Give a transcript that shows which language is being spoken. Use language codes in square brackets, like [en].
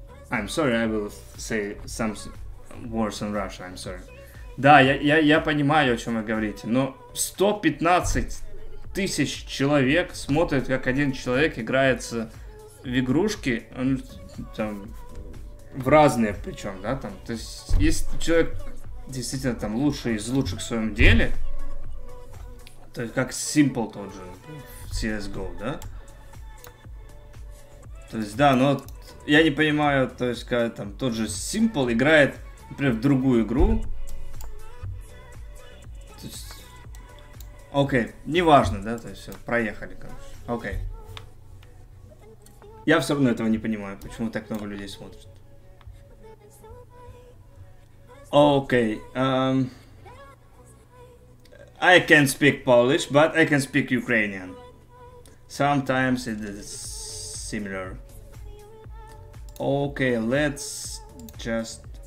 [en] I'm sorry, I will say some words in Russian. I'm sorry. [ru] Да, я понимаю, о чем вы говорите, но 115 тысяч человек смотрят, как один человек играется в игрушки, там, в разные причем, да, там, то есть, если человек действительно там лучший из лучших в своем деле, то как Simple тот же, CSGO, да, то есть, да, но я не понимаю, то есть, когда там тот же Simple играет, например, в другую игру, то есть, окей, неважно, да, то есть, все, проехали, короче, окей. Я все равно этого не понимаю, почему так много людей смотрят. [en] Okay, I can speak Polish, but I can speak Ukrainian. Sometimes it is similar. Okay, let's just...